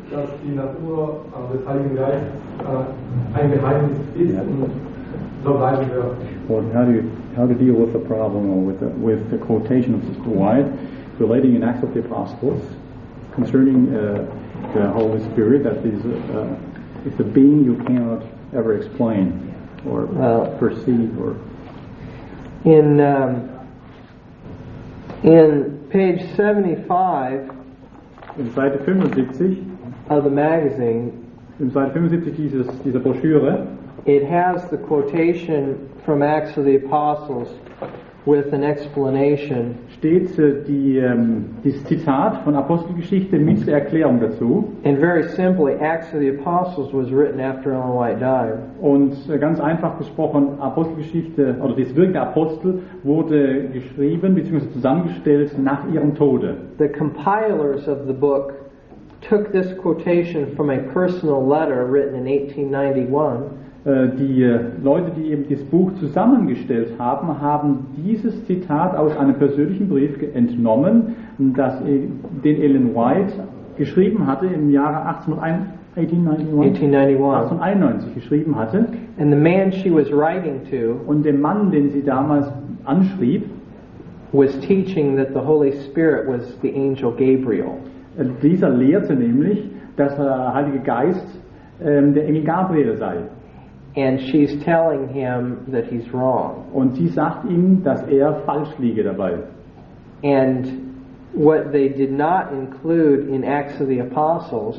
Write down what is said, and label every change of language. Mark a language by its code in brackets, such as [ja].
[de] Dass die Natur des Heiligen Geistes ein Geheimnis ist und so bleiben wir. [en] Well, how to deal with the problem or with the quotation of Sister White relating in Acts of the Apostles concerning the Holy Spirit, that is it's a being you cannot ever explain or perceive or in page 75 [de] in Seite 75 [en] of the magazine [de] in Seite 75 dieser Broschüre [en] it has the quotation from Acts of the Apostles with an explanation. [de] Steht das Zitat von Apostelgeschichte mit der Erklärung dazu. [en] And very simply, Acts of the Apostles was written after Ellen White died. [de] Und ganz einfach gesprochen, Apostelgeschichte oder das Wirken der Apostel wurde geschrieben bzw. zusammengestellt nach ihrem Tode. [en] The compilers of the book took this quotation from a personal letter written in 1891. [de] Die Leute, die eben das Buch zusammengestellt haben, haben dieses Zitat aus einem persönlichen Brief entnommen, den Ellen White geschrieben hatte im Jahre 1891 geschrieben hatte. [en] And the man she was writing to, [de] und der Mann, den sie damals anschrieb, [en] was teaching that the Holy Spirit was the angel Gabriel. [de] Dieser lehrte nämlich, dass der Heilige Geist der Engel Gabriel sei. [en] And she's telling him that he's wrong. [de] Und sie sagt ihm, dass falsch liege dabei. [en] And what they did not include in Acts of the Apostles.